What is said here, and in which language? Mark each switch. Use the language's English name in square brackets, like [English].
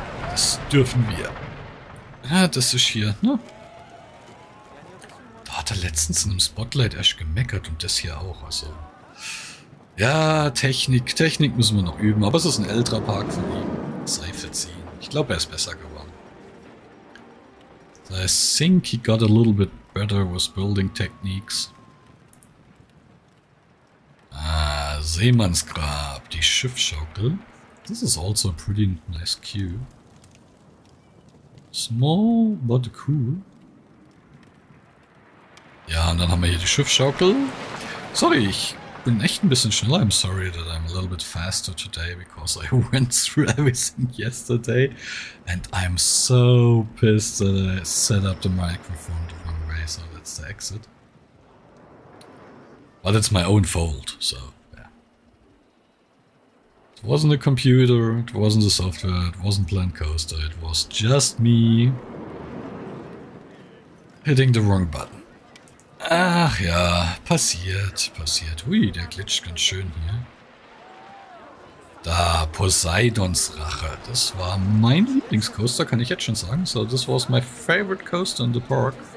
[German] Das dürfen wir. Ja, das ist hier, ne? hatte letztens in einem Spotlight echt gemeckert und das hier auch. Also ja, Technik müssen wir noch üben. Aber es ist ein älterer Park von ihm. Sei verziehen. Ich glaube, er ist besser geworden. [English] So, I think he got a little bit better with building techniques. [German] Ah, Seemannsgrab, die Schiffschaukel. [English] This is also a pretty nice queue. Small, but cool. [German] Ja, und dann haben wir hier die Schiffschaukel. Sorry, ich bin echt ein bisschen schneller. [English] I'm sorry that I'm a little bit faster today, because I went through everything yesterday. And I'm so pissed that I set up the microphone the wrong way, so that's the exit. But it's my own fault, so. It wasn't a computer, it wasn't the software, it wasn't Planet Coaster, it was just me hitting the wrong button. [German] Ach ja, passiert. Hui, der glitscht ganz schön hier. Da, Poseidons Rache. Das war mein Lieblingscoaster, kann ich jetzt schon sagen. [English] So, this was my favorite coaster in the park.